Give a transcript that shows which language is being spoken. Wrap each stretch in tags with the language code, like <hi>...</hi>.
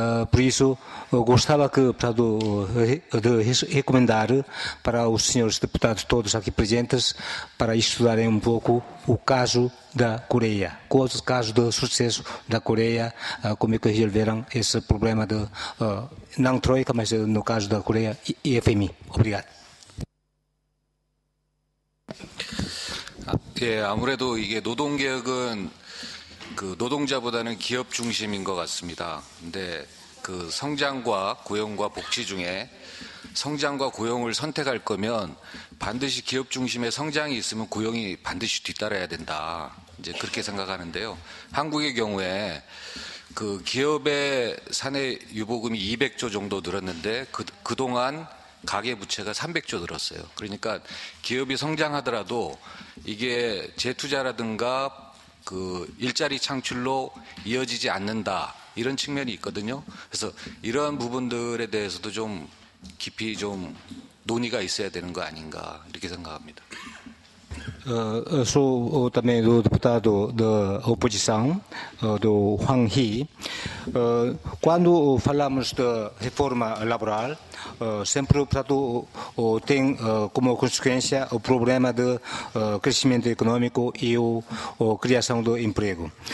<pt>Por isso, gostava de recomendar para os senhores deputados todos aqui presentes para estudarem um pouco o caso da Coreia, o caso do sucesso da Coreia, como é que resolveram esse problema de não troika, mas no caso da Coreia e FMI. Obrigado.</pt> <ko>예, 아무래도 이게 노동개혁은 그 노동자보다는 기업 중심인 것 같습니다. 근데 그 성장과 고용과 복지 중에 성장과 고용을 선택할 거면 반드시 기업 중심의 성장이 있으면 고용이 반드시 뒤따라야 된다. 이제 그렇게 생각하는데요. 한국의 경우에 그 기업의 사내 유보금이 200조 정도 늘었는데 그동안 가계 부채가 300조 늘었어요. 그러니까 기업이 성장하더라도 이게 재투자라든가 그 일자리 창출로 이어지지 않는다 이런 측면이 있거든요. 그래서 이러한 부분들에 대해서도 좀 깊이 좀 논의가 있어야 되는 거 아닌가 이렇게 생각합니다.</ko> <pt>Sou também do deputado da oposição, do Hwang Hee. Quando falamos de reforma laboral, sempre tem como consequência o problema de crescimento econômico e a criação do emprego.</pt>